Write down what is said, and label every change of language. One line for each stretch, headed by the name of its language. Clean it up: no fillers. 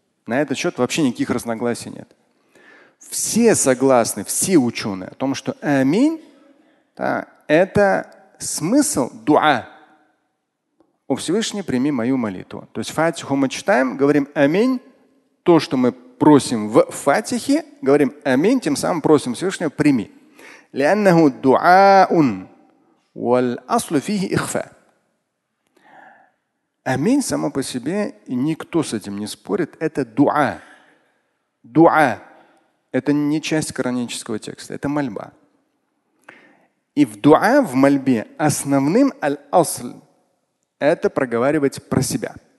Russian: На этот счет вообще никаких разногласий нет. Все согласны, все ученые, о том, что аминь, да, – это смысл дуа. О Всевышний, прими мою молитву. То есть фатиху мы читаем, говорим аминь. То, что мы просим в фатихе, говорим аминь, тем самым просим Всевышнего, прими.
Arabic: لأنه دعاء والأصل فيه إخفاء.
Russian: Аминь само по себе, и никто с этим не спорит, это дуа. Дуа – это не часть коранического текста, это мольба. И в дуа, в мольбе, основным аль-асл – это проговаривать про себя.